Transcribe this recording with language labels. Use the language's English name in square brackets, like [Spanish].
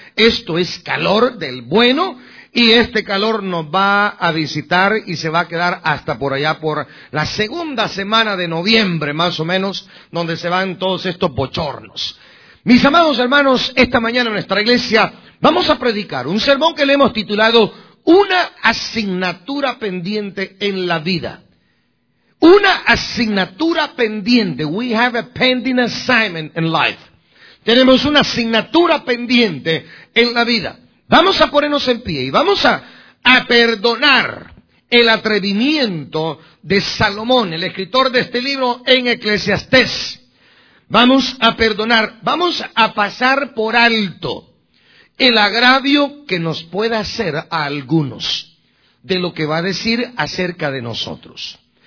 [Spanish] Esto es calor del bueno y este calor nos va a visitar y se va a quedar hasta por allá por la segunda semana de noviembre, más o menos, donde se van todos estos bochornos. Mis amados hermanos, esta mañana en nuestra iglesia vamos a predicar un sermón que le hemos titulado Una asignatura pendiente en la vida. Una asignatura pendiente. [English] We have a pending assignment in life. [Spanish] Tenemos una asignatura pendiente en la vida. Vamos a ponernos en pie y vamos a perdonar el atrevimiento de Salomón, el escritor de este libro en Eclesiastés. Vamos a perdonar, vamos a pasar por alto el agravio que nos pueda hacer a algunos de lo que va a decir acerca de nosotros.